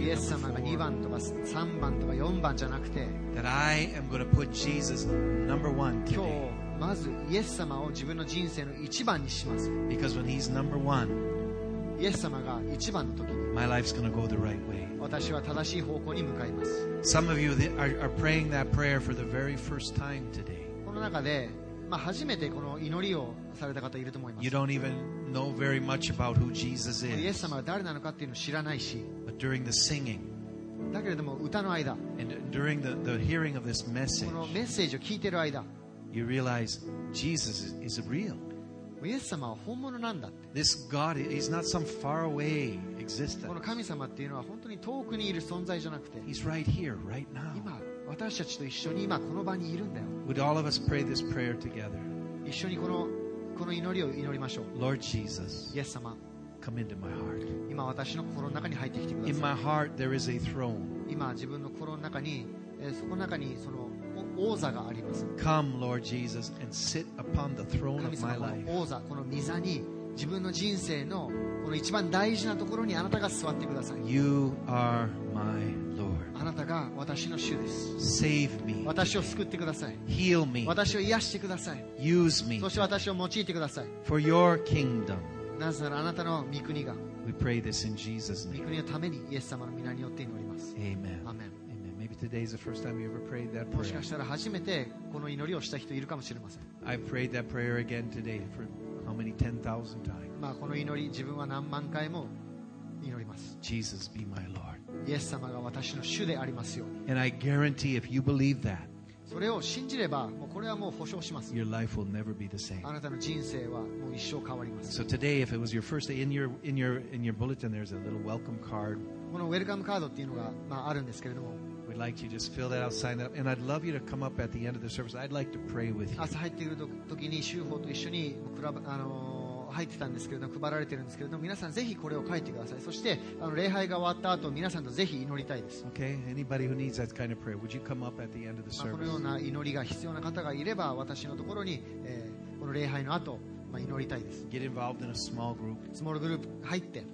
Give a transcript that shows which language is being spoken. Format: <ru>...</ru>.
<en>That I am going to put Jesus number one today.</en> <ja>今日まずイエス様を自分の人生の一番にします。</ja> <en>Because when He's number one,</en> <ja>イエス様が一番の時に、</ja> <en>my life's going to go the right way.</en> <ja>私は正しい方向に向かいます。</ja> <en>Some of you are praying that prayer for the very first time today.</en> <ja>この中で、まあ、初めてこの祈りをされた方いると思います。</ja> <en>You don't even know very much about who Jesus is.</en> <ja>イエス様が誰なのかっていうのを知らないし。</ja> <en>But during the singing,</en> <ja>だけれども歌の間、</ja> <en>and during the hearing of this message,</en> <ja>このメッセージを聞いてる間、</ja> <en>you realize Jesus is real.</en> <ja>イエス様は本物なんだって。</ja> <en>This God is not some far away existence.</en> <ja>この神様っていうのは本当に遠くにいる存在じゃなくて、</ja> <en>He's right here, right now.</en> <ja>今私たちと一緒に今この場にいるんだよ。</ja> <en>Would all of us pray this prayer together?</en> <ja>一緒にこの祈りを祈りましょう。</ja> <en>Lord Jesus,</en> <ja>イエス様、</ja> <en>come into my heart.</en> <ja>今私の心の中に入ってきてください。</ja> <en>In my heart there is a throne.</en> <ja>今自分の心の中に、そこの中にその王座があります。</ja> <en>Come, Lord Jesus, and sit upon the throne of my life.</en> <ja>神様の王座、この御座に自分の人生のこの一番大事なところにあなたが座ってください。</ja> <en>You are my Lord.</en> <ja>あなたが私の主です。</ja> <en>Save me.</en> <ja>私を救ってください。</ja> <en>Heal me.</en> <ja>私を癒してください。</ja> <en>Use me.</en> <ja>そして私を用いてください。</ja> <en>For your kingdom.</en> <ja>なぜならあなたの御国が。</ja> <en>We pray this in Jesus' name.</en> <ja>御国のためにイエス様の御名によって祈ります。</ja> <en>Amen. Amen. Amen. Maybe today is the first time you ever prayed that prayer.</en> <ja>もしかしたら初めてこの祈りをした人いるかもしれません。</ja> <en>I prayed that prayer again today for how many 10,000 times.</en> <ja>まあこの祈り自分は何万回も祈ります。</ja> <en>Jesus be my Lord.</en> <ja>イエス様が私の主でありますように。</ja> <en>And I guarantee if you believe that,</en> <ja>それを信じれば、もうこれはもう保証します。</ja> <en>Your life will never be the same.</en> <ja>あなたの人生はもう一生変わります。</ja> <en>So today, if it was your first day, in your bulletin, there's a little welcome card.</en> <ja>このウェルカムカードっていうのが、まあ、あるんですけれども。</ja> <en>We'd like you to just fill that out, sign that up, and I'd love you to come up at the end of the service. I'd like to pray with you.</en> <ja>朝入ってくる時に修法と一緒に入ってたんですけれども配られてるんですけれども皆さんぜひこれを書いてください。そして礼拝が終わった後皆さんとぜひ祈りたいです。</ja> <en>Okay, anybody who needs that kind of prayer, would you come up at the end of the service?</en> <ja>このような祈りが必要な方がいれば私のところに、この礼拝の後、まあ、祈りたいです。</ja> <en>Get involved in a small group.</en> <ja>スモールグループ入って</ja>